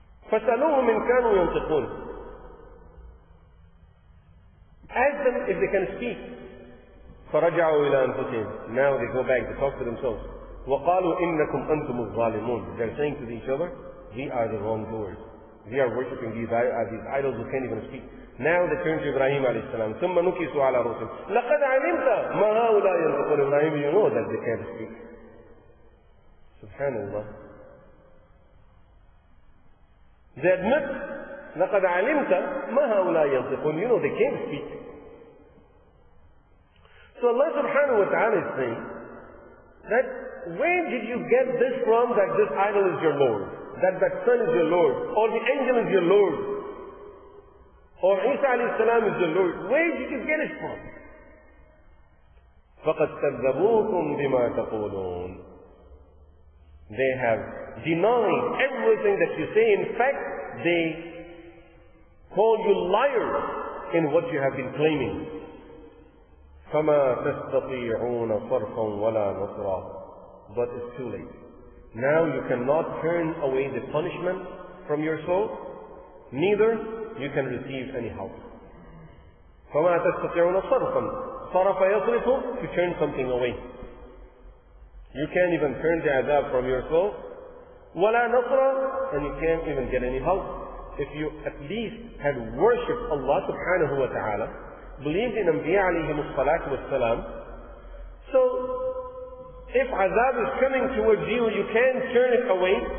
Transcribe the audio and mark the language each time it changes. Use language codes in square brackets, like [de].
[ar] فَسَأَلُوهُمْ إِنْ كَانُوا يَنْتِقُونَ [en] Ask them if they can speak. [ar] فَرَجَعُوا إِلَىٰ أَنْفُسِهِمْ [en] Now they go back, they talk to themselves. [ar] وَقَالُوا إِنَّكُمْ أَنْتُمُ الظَّالِمُونَ [en] They're saying to each other, we are the wrongdoers. We are worshipping these idols who can't even speak. Now they turn to Ibrahim alayhi salam. [ar] ثُمَّ نُكِسُوا عَلَىٰ رُوسِهِمْ لَقَدْ عَلِمْتَ مَا هَؤُلَاءِ يَنْتَقُونَ [en] Ibrahim, you know that they can't speak. [ar] Subhanallah. [en] They admit, [ar] لَقَدْ عَلِمْتَ مَا هَؤُلَاءِ يَنْتَقُونَ [en] You know they can't speak. So Allah subhanahu wa ta'ala is saying that where did you get this from that this idol is your Lord? That son is your Lord? Or the angel is your Lord? Or Isa alayhi salam is your Lord? Where did you get it from? [ar] فَقَدْ كَذَّبُوكُمْ بِمَا تَقُولُونَ [en] They have denied everything that you say. In fact, they call you liars in what you have been claiming. [ar] فَمَا تَسْتَطِيعُونَ صَرْفًا وَلَا نُصْرًا [en] But it's too late. Now you cannot turn away the punishment from your soul, neither you can receive any help. [ar] فَمَا تَسْتَطِيعُونَ صَرْفًا صَرَفَ يَصْرِفُ [en] To turn something away. You can't even turn the adab from your soul. [ar] وَلَا نُصْرًا [en] And you can't even get any help. If you at least had worshipped Allah subhanahu wa ta'ala, believed in Anbiya alayhi salatu wasalam. So, if azab is coming towards you, you can turn it away.